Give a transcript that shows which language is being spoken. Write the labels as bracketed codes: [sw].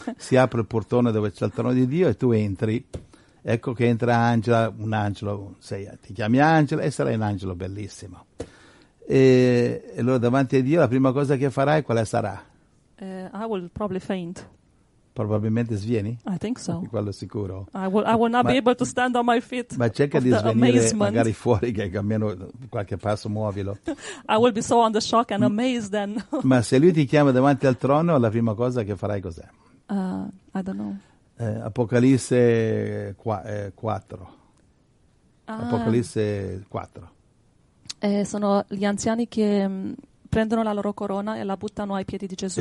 [it] Si apre il portone dove c'è il trono di Dio e tu entri. Ecco che entra Angela, un angelo, ti chiami Angela e sarai un angelo bellissimo. E allora davanti a Dio la prima cosa che farai, quale sarà? [en] I will probably faint. [it] Probabilmente svieni? [en] I think so. [it] Quello sicuro. [en] I will not be able to stand on my feet. [it] Ma cerca di svenire magari fuori, che almeno qualche passo muovilo. [en] I will be so under shock and amazed then. [it] Ma se lui ti chiama davanti al trono, la prima cosa che farai cos'è? [en] I don't know. [it] Apocalisse 4. Apocalisse 4. Sono gli anziani che prendono la loro corona e la buttano ai piedi di Gesù.